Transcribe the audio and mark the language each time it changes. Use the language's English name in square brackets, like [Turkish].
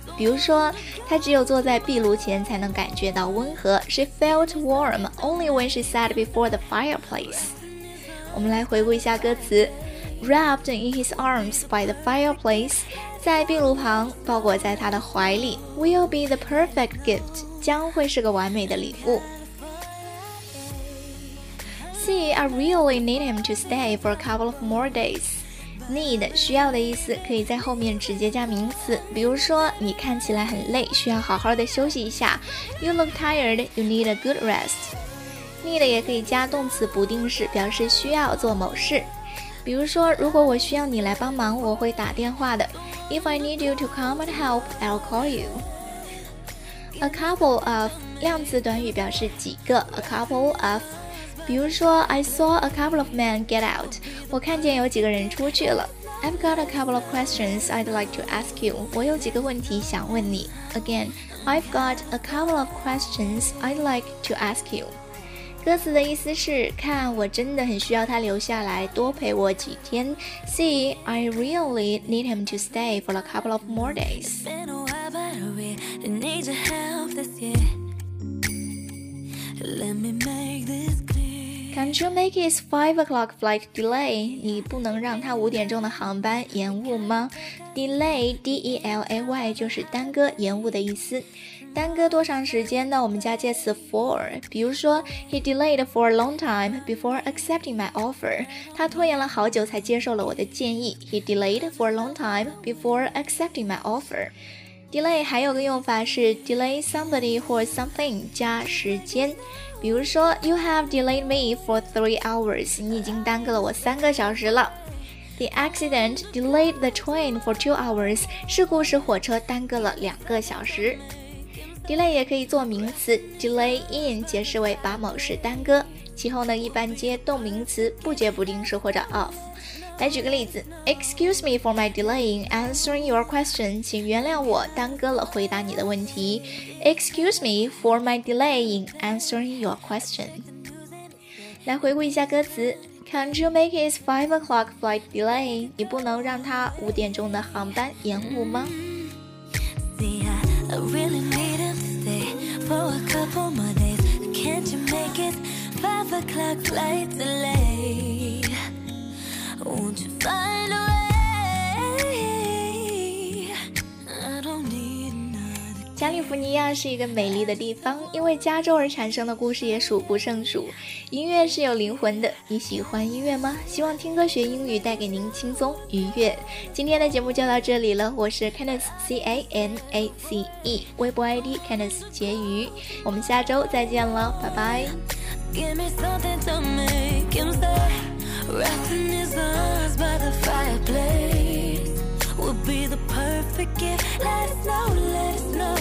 [Chinese] 比如说他只有坐在壁炉前才能感觉到温和。 [English] She felt warm only when she sat before the fireplace. [Chinese] 我们来回顾一下歌词。 [English] Wrapped in his arms by the fireplace, [Chinese] 在壁炉旁包裹在他的怀里。 [English] Will be the perfect gift, [Chinese] 将会是个完美的礼物。 [English] See, I really need him to stay for a couple of more days. [Chinese] Need 需要的意思，可以在后面直接加名词。比如说你看起来很累，需要好好的休息一下。 [English] You look tired, you need a good rest. [Chinese] Need 也可以加动词不定式，表示需要做某事。比如说如果我需要你来帮忙，我会打电话的。 [English] If I need you to come and help, I'll call you. [Chinese] A couple of 量词短语表示几个。 [English] A couple of [Chinese] 比如说 [English] I saw a couple of men get out, [Chinese] 我看见有几个人出去了。 [English] I've got a couple of questions I'd like to ask you, [Chinese] 我有几个问题想问你。 [English] Again, I've got a couple of questions I'd like to ask you. [Chinese] 歌词的意思是，看我真的很需要他留下来多陪我几天。 [English] See, I really need him to stay for a couple of more days. It's been a while, but we need your help this year. Let me make thisCan't you make his 5 o'clock flight delay? [Chinese] 你不能让他五点钟的航班延误吗？Delay, D-E-L-A-Y, 就是耽搁、延误的意思。耽搁多长时间呢？我们加介词 for。比如说 [English] He delayed for a long time before accepting my offer. [Chinese] 他拖延了好久才接受了我的建议。 [English] He delayed for a long time before accepting my offer. [Chinese] Delay 还有个用法是 [English] delay somebody or something [Chinese] 加时间。 [English] 比如说 You have delayed me for 3 hours, [Chinese] 你已经耽搁了我三个小时了。 [English] The accident delayed the train for 2 hours, [Chinese] 事故使火车耽搁了两个小时。 Delay 也可以做名词， delay in 解释为把某事耽搁，其后呢一般接动名词，不接不定式或者 off。来举个例子， [English] Excuse me for my delay in answering your question. [Chinese] 请原谅我耽搁了回答你的问题。 [English] Excuse me for my delay in answering your question. [Chinese] 来回顾一下歌词。 [English] Can't you make his 5 o'clock flight delay? [Chinese] 你不能让他五点钟的航班延误吗？ [English] See, I really need him to stay for a couple more days. Can't you make it 5 o'clock flight delay? Won't you find a way? I don't need another. [Chinese] 加利福尼亚是一个美丽的地方，因为加州而产生的故事也数不胜数。音乐是有灵魂的，你喜欢音乐吗？希望听歌学英语带给您轻松愉悦。今天的节目就到这里了，我是 Canace C A N A C E， 微博 ID Canace 结余，我们下周再见了，拜拜。 [English] Give me something to make him say. Wrapping his arms by the fireplace would be the perfect gift. Let it snow, let it snow.